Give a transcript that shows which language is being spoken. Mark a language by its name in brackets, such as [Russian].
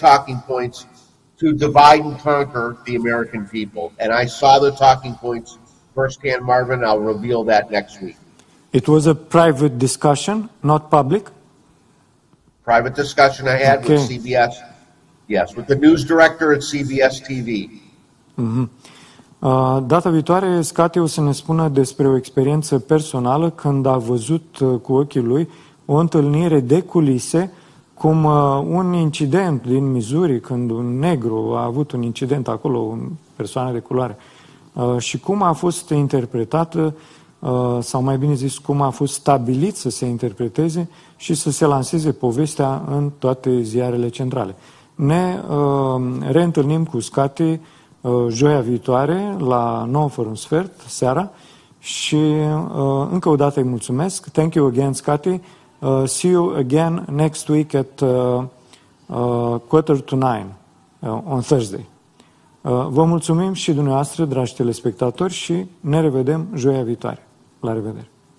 [English] talking points to divide and conquer the American people. And I saw the talking points firsthand, Marvin. I'll reveal that next week. It was a private discussion, not public? Private discussion I had with CBS. Yes, with the news director at CBS TV. Mm-hmm. [Romanian] Data viitoare, Scati o să ne spună despre o experiență personală când a văzut cu ochii lui o întâlnire de culise, cum un incident din Missouri, când un negru a avut un incident acolo, o persoană de culoare, și cum a fost interpretată, sau mai bine zis, cum a fost stabilit să se interpreteze și să se lanseze povestea în toate ziarele centrale. Ne reîntâlnim cu Scati joia viitoare, la 9 fără un sfert, seara, și încă o dată îi mulțumesc. [English] Thank you again, Scati. See you again next week at 8:45 on Thursday. [Romanian] Vă mulțumim și dumneavoastră, dragi telespectatori, și ne revedem joia viitoare. La revedere!